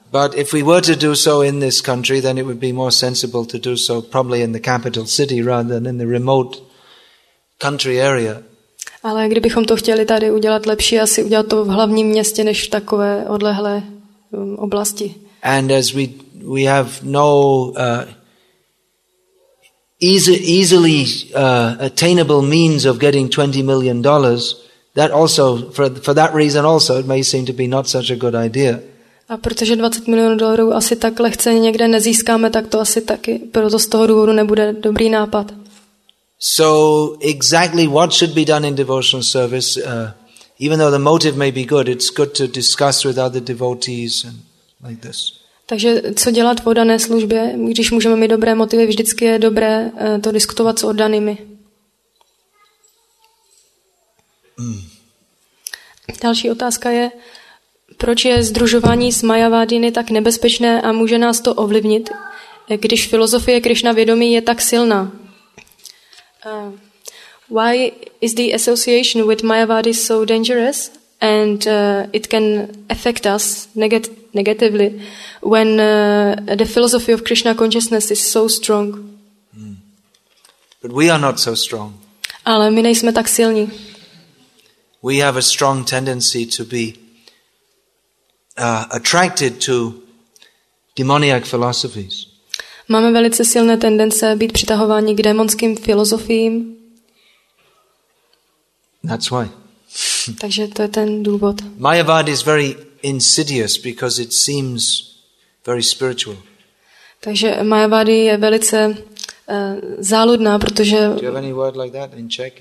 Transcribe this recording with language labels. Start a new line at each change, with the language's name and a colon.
English: But if we were to do so in this country, then it would be more sensible to do so probably in the capital city rather than in the remote country area.
Czech: Ale kdybychom to chtěli tady udělat lepší, asi udělat to v hlavním městě než v takové odlehlé oblasti.
English: And as we have no easily attainable means of getting $20 million, that also for that reason also it may seem to be not such a good idea.
Czech: A protože 20 milionů dolarů asi tak lehce někde nezískáme, tak to asi taky proto z toho důvodu nebude dobrý nápad.
English: So exactly what should be done in devotional service, even though the motive may be good, it's good to discuss with other devotees and like this.
Czech: Takže co dělat v oddané službě, když můžeme mít dobré motivy, vždycky je dobré to diskutovat s oddanými. Další otázka je, proč je sdružování s Mayavadiny tak nebezpečné a může nás to ovlivnit, když filozofie Krišna vědomí je tak silná?
English: Why is the association with Mayavadi so dangerous and it can affect us negatively, when the philosophy of Krishna consciousness is so strong. Hmm. But we are not so strong.
Czech: Ale my nejsme tak silní.
English: We have a strong tendency to be attracted to demoniac philosophies.
Czech: Máme velice silné tendence být přitahováni k démonským filozofiím.
English: That's why.
Czech: Takže to je ten důvod.
English: Mayavad is very insidious because it seems very spiritual.
Czech: Takže Mayavad je velice záludná, protože.
English: Do you have any word like that in Czech?